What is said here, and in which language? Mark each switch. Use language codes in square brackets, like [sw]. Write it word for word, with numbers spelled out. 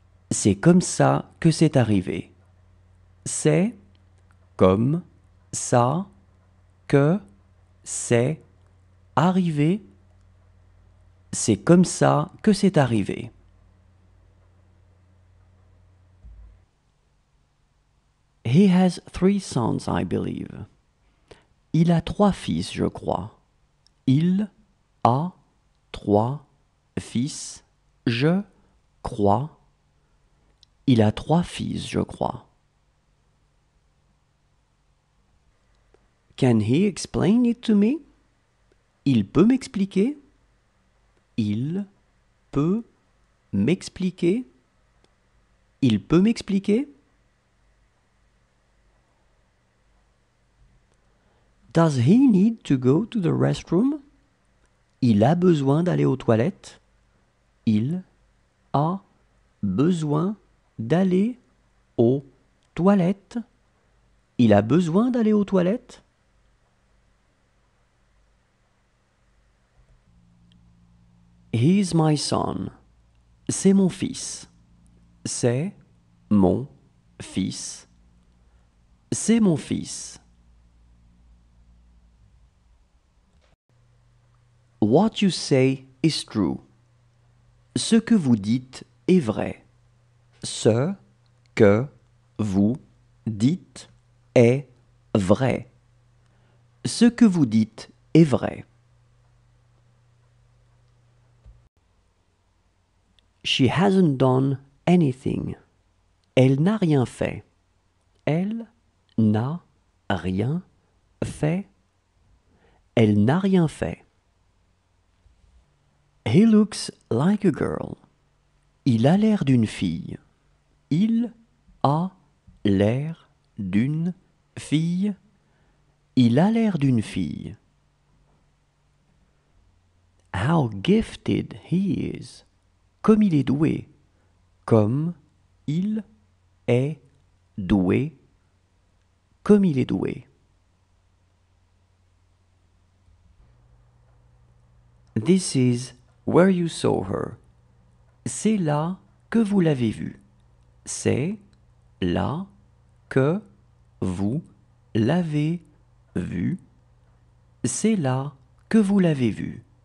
[fr] C'est comme ça que c'est arrivé. C'est comme ça que c'est arrivé. C'est comme ça que c'est arrivé. [en] He has three sons, I believe. [fr] Il a trois fils, je crois. Il a trois fils, je crois. Il a trois fils, je crois. [en] Can he explain it to me? [fr] Il peut m'expliquer. Il peut m'expliquer? Il peut m'expliquer? [en] Does he need to go to the restroom? [fr] Il a besoin d'aller aux toilettes. Il a besoin d'aller aux toilettes. Il a besoin d'aller aux toilettes. [en] He's my son. [fr] C'est mon fils. C'est mon fils. C'est mon fils. [en] What you say is true. [fr] Ce que vous dites est vrai. Ce que vous dites est vrai. Ce que vous dites est vrai. [en] She hasn't done anything. [fr] Elle n'a rien fait. Elle n'a rien fait. Elle n'a rien fait. [en] He looks like a girl. [fr] Il a l'air d'une fille. Il a l'air d'une fille. Il a l'air d'une fille. [en] How gifted he is. [fr] Comme il est doué. Comme il est doué. Comme il est doué. [en] This is where you saw her. [fr] C'est là que vous l'avez vue. C'est là que vous l'avez vue. C'est là que vous l'avez vue.